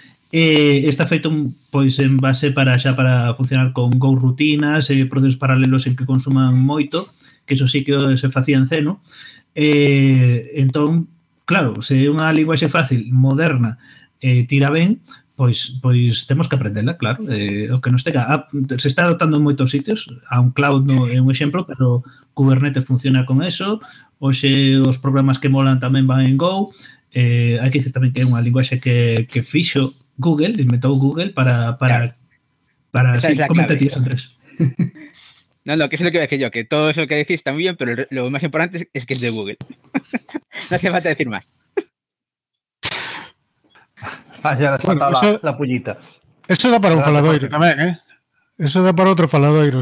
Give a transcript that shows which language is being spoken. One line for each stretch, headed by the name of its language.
Galician: Está feito pois en base para funcionar con Go rutinas e procesos paralelos en que consuman moito, que eso sí que se facía en C, ¿no? Entón, claro, se é unha linguaxe fácil, moderna, tira ben, pois temos que aprendela, claro, o que nos tenga. Se está adaptando en moitos sitios, a un cloud no é un exemplo, pero Kubernetes funciona con eso, hoxe os programas que molan tamén van en Go. Hai que dicir tamén que é unha linguaxe que fixo Google, inventou Google para esa sí, comenta ti eso, Andrés.
Spanish: No, que es lo que iba a decir yo, que todo eso que decís está muy bien, pero lo más importante es que es de Google. No hace falta decir más. Ya le has faltado la pullita. Eso da para un faladoiro también, ¿eh? Eso da para otro faladoiro.